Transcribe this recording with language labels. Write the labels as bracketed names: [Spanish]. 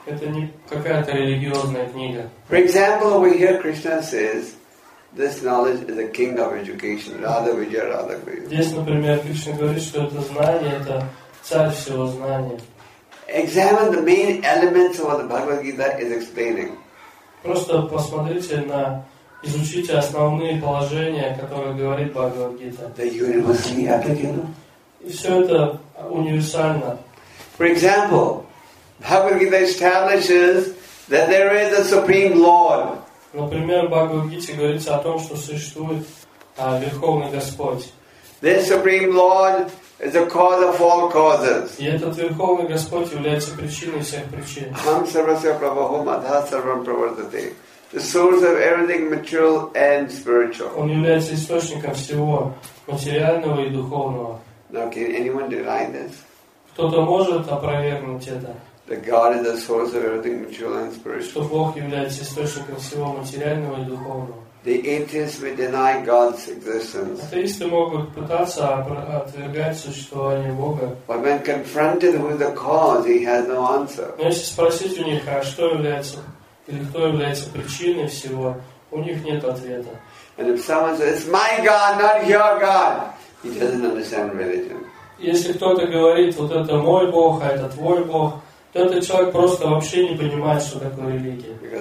[Russian] Это не какая-то религиозная книга. [English] For example, we hear Krishna says, "This knowledge is a king of education." Radha Vijaya Radha Kriya. [Russian] Здесь, например, Кришна говорит, что это знание — это царь всего знания. [English] Examine the main elements of what the Bhagavad Gita is explaining. [Russian] Просто посмотрите на, изучите основные положения, которые говорит Бхагавад Гита. [English] The universally applicable. [Russian] И все это универсально. [English] For example, Bhagavad Gita establishes that there is a supreme Lord. [Russian] Например, Бхагавад Гите говорится о том, что существует Верховный Господь. [English] This supreme Lord is the cause of all causes. [Russian] И этот Верховный Господь является причиной всех причин. [Sanskrit] Aham sarvasya prabhu madha sarvam pravartate. [English] The source of everything material and spiritual. [Russian] Он является источником всего материального и духовного. [English] Now, can anyone deny this? [Russian] Кто-то может опровергнуть это? [English] That God is the source of everything material and spiritual. [Russian] Что Бог является источником всего материального и духовного. [English] The atheists may deny God's existence. [Russian] Атеисты могут пытаться отвергать существование Бога. [English] But when confronted with the cause, he has no answer. [Russian] Но если спросить у них, а что является или кто является причиной всего, у них нет ответа. [English] And if someone says, "It's my God, not your God," he doesn't understand religion. [Russian] Если кто-то говорит, вот это мой Бог, а это твой Бог, то этот человек просто вообще не понимает, что такое религия.